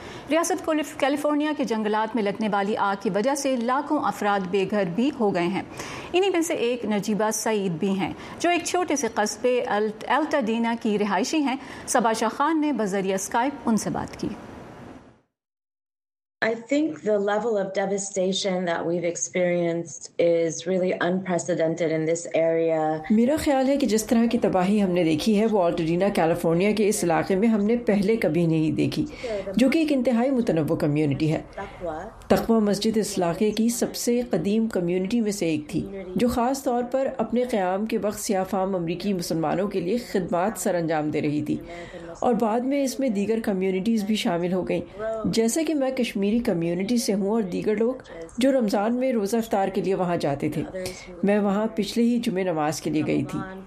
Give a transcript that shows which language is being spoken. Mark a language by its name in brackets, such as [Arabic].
[Urdu] ریاست کیلیفورنیا کے جنگلات میں لگنے والی آگ کی وجہ سے لاکھوں افراد بے گھر بھی ہو گئے ہیں۔ انہی میں سے ایک نجیبہ سعید بھی ہیں، جو ایک چھوٹے سے قصبے الٹاڈینا کی رہائشی ہیں۔ سباشہ خان نے بذریعہ اسکائپ ان سے بات کی۔ [English] I think the level of devastation that we've experienced is really unprecedented in this area. [Urdu] میرا خیال ہے کہ جس طرح کی تباہی ہم نے دیکھی ہے وہ آلٹرینا کیلیفورنیا کے اس علاقے میں ہم نے پہلے کبھی نہیں دیکھی، جو کہ ایک انتہائی متنوع کمیونٹی ہے۔ تقوی مسجد اس علاقے کی سب سے قدیم کمیونٹی میں سے ایک تھی، جو خاص طور پر اپنے قیام کے وقت سیاہ فام امریکی مسلمانوں کے لیے خدمات سر انجام دے رہی تھی، اور بعد میں اس میں دیگر کمیونٹیز بھی شامل ہو گئیں۔ جیسا کہ میں کشمیری کمیونٹی سے ہوں اور دیگر لوگ جو رمضان میں روزہ افطار کے لیے وہاں جاتے تھے، میں وہاں پچھلے ہی جمعہ نماز کے لیے گئی تھی۔